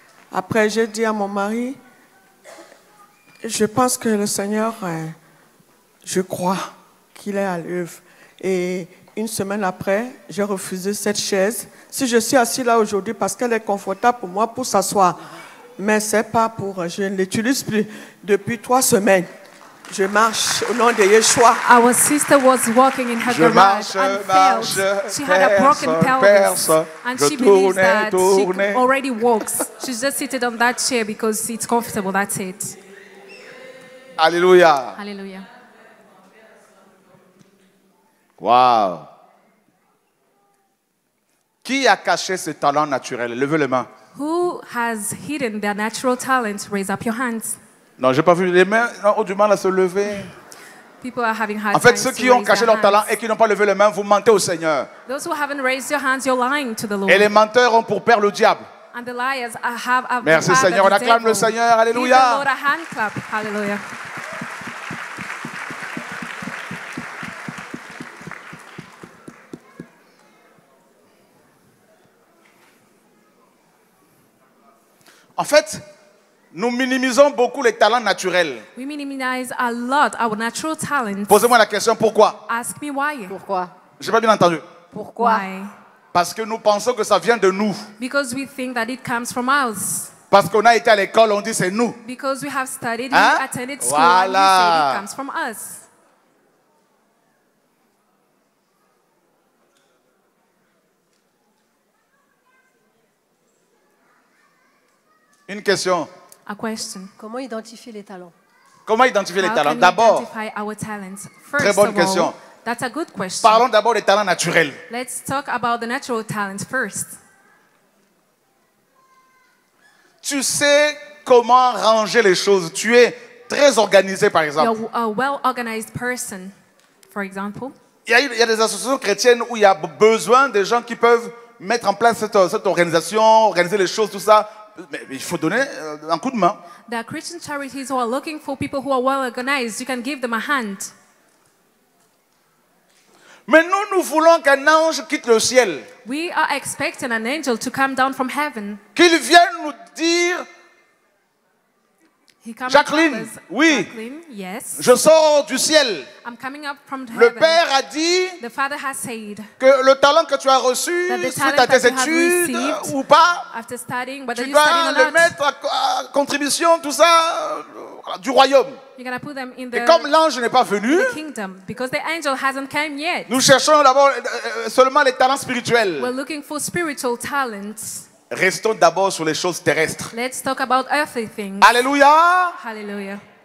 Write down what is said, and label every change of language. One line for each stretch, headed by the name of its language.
French: Après, j'ai dit à mon mari, je pense que le Seigneur, je crois qu'il est à l'œuvre. Et une semaine après, j'ai refusé cette chaise. Si je suis assis là aujourd'hui, parce qu'elle est confortable pour moi pour s'asseoir. Mais c'est pas pour, je ne l'utilise plus depuis 3 semaines. Je marche au nom de Yeshua.
English: Our sister was walking in her garage and failed. She had a broken pelvis. And she believes that she already walks. She's just seated on that chair because it's comfortable. That's it.
French: Alléluia. Alléluia.
English: Wow.
French: Qui a caché ce talent naturel? Levez les mains.
English: Who has hidden their natural talent? Raise up your hands.
French: Non, j'ai pas vu les mains. Non, ont du mal à se lever.
English: People are having hard
French: en fait, ceux qui ont caché leur talent et qui n'ont pas levé les mains, vous mentez au Seigneur.
English: Those who haven't raised your hands, you're lying to the Lord.
French: Et les menteurs ont pour père le diable.
English: And the liars have a
French: merci Seigneur, on acclame
English: devil.
French: Le Seigneur. Alléluia.
English: Give the Lord a hand clap. Alléluia.
French: En fait, nous minimisons beaucoup les talents naturels.
English: We minimize a lot our natural talents.
French: Posez-moi la question, pourquoi?
English: Ask me why.
French: Pourquoi? Je n'ai pas bien entendu. Pourquoi?
English: Why?
French: Parce que nous pensons que ça vient de nous.
English: Because we think that it comes from us.
French: Parce qu'on a été à l'école, on dit c'est nous.
English: Because we have studied, hein? We attended school, voilà. And we say it comes from us.
French: Une question.
English: A question.
French: Comment identifier les talents? Comment identifier
English: how
French: les talents? D'abord.
English: Our talents? First
French: très bonne
English: of
French: question.
English: All, that's a good question.
French: Parlons d'abord des talents naturels.
English: Let's talk about the natural talents first.
French: Tu sais comment ranger les choses. Tu es très organisé, par exemple.
English: You're a well-organized person, for example.
French: Il y a des associations chrétiennes où il y a besoin des gens qui peuvent mettre en place cette organisation, organiser les choses, tout ça. Mais il faut donner un coup de main.
English: There are Christian charities who are looking for people who are well organized. You can give them a hand.
French: Mais nous, nous voulons qu'un ange quitte le ciel.
English: We are expecting an angel to come down from heaven.
French: Qu'il vienne nous dire. Jacqueline, oui.
English: Jacqueline, yes.
French: Je sors du ciel.
English: I'm coming up from heaven.
French: Le Père a dit
English: the Father has said
French: que le talent que tu as reçu suite à tes études ou pas,
English: after studying, whether
French: tu dois le mettre à contribution, tout ça, du royaume.
English: You're gonna put them in the,
French: et comme l'ange n'est pas venu,
English: the kingdom, because the angel hasn't came yet.
French: Nous cherchons d'abord seulement les talents spirituels.
English: We're looking for spiritual talents.
French: Restons d'abord sur les choses terrestres.
English: Let's talk about earthly things.
French: Alléluia.
English: Hallelujah.